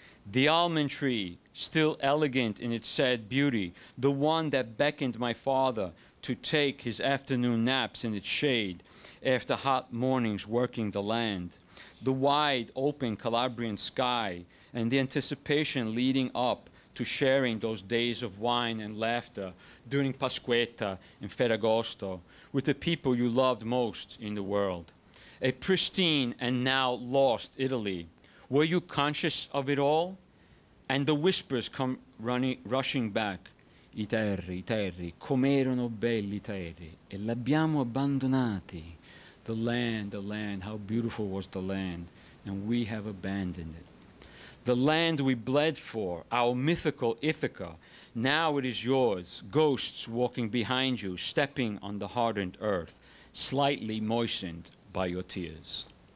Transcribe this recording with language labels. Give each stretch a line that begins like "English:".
English: The almond tree, still elegant in its sad beauty, the one that beckoned my father to take his afternoon naps in its shade after hot mornings working the land, the wide open Calabrian sky, and the anticipation leading up to sharing those days of wine and laughter during Pasquetta and Ferragosto with the people you loved most in the world. A pristine and now lost Italy, were you conscious of it all? And the whispers come running, rushing back.
Italian: I terri, com'erano belli I terri, e l'abbiamo abbandonati.
English: The land, how beautiful was the land, and we have abandoned it. The land we bled for, our mythical Ithaca, now it is yours, ghosts walking behind you, stepping on the hardened earth, slightly moistened by your tears.